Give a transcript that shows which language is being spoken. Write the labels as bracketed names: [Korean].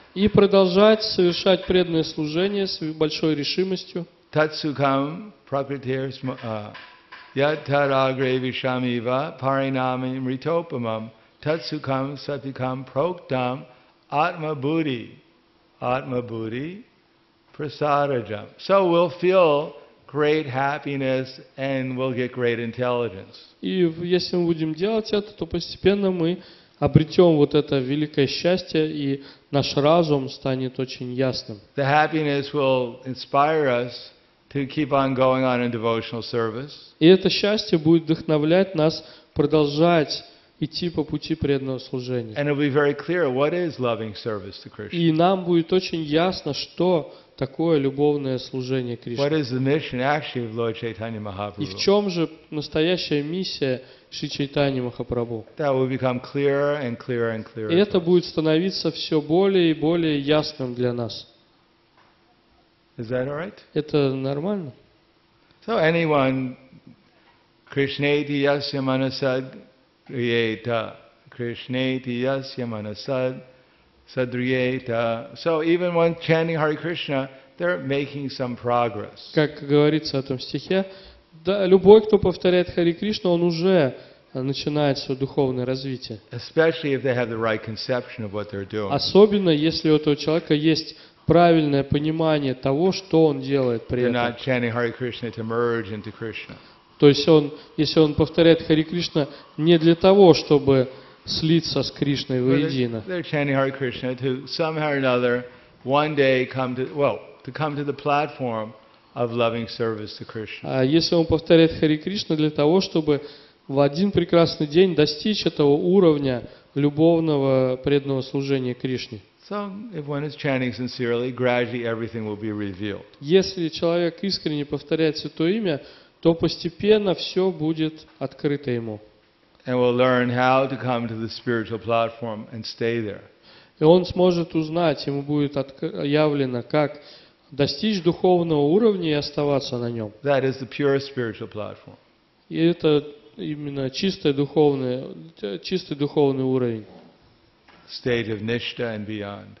[Russian] И продолжать совершать преданное служение с большой решимостью. [Sanskrit] Tatsukam prakritir yataragre vishamiva parinami mritopamam tatsukam satikam proktam atma buddhi prasarajam. [English] So we'll feel great happiness and we'll get great intelligence. [Russian] И если мы будем делать это, то постепенно мы обретем вот это великое счастье, и наш разум станет очень ясным. [English] The happiness will inspire us to keep on going on in devotional service. [Russian] И это счастье будет вдохновлять нас продолжать идти по пути преданного служения. [English] And it'll be very clear what is loving service to Krishna. [Russian] И нам будет очень ясно, что такое любовное служение Кришне. [English] What is the mission actually of Lord Chaitanya Mahaprabhu? [Russian] И в чем же настоящая миссия Шри Чайтаньи Махапрабху? [English] That will become clearer and clearer and clearer. [Russian] И это будет становиться все более и более ясным для нас. [English] Is that all right? [Russian] Это нормально? [English] So anyone, [Sanskrit] Krishna iti yasya manasad kriyeta, Krishna iti yasya manasad sadriyeta. [English] So even when chanting Hare Krishna, they're making some progress. [Russian] Как говорится в этом стихе, да, любой, кто повторяет Хари Кришну, он уже начинает свое духовное развитие. [English] Especially if they have the right conception of what they're doing. [Russian] Особенно если у этого человека есть правильное понимание того, что он делает при этом. [English] You're not chanting Hare Krishna to merge into Krishna. [Russian] То есть он, если он повторяет Хари Кришна не для того, чтобы слиться с Кришной воедино. [English] They're chanting Hare Krishna to somehow or another one day come to, well, to come to the platform of loving service to Krishna. [Russian] А если он повторяет Хари Кришна для того, чтобы в один прекрасный день достичь этого уровня любовного преданного служения Кришне. [English] So if one is chanting sincerely, gradually everything will be revealed. [Russian] Если человек искренне повторяет святое имя, то постепенно все будет открыто ему. [English] And will learn how to come to the spiritual platform and stay there. [Russian] И он сможет узнать, ему будет явлено, как достичь духовного уровня и оставаться на нем. [English] That is the pure spiritual platform. [Russian] И это именно чистый духовный уровень. [English] State of nishtha and beyond.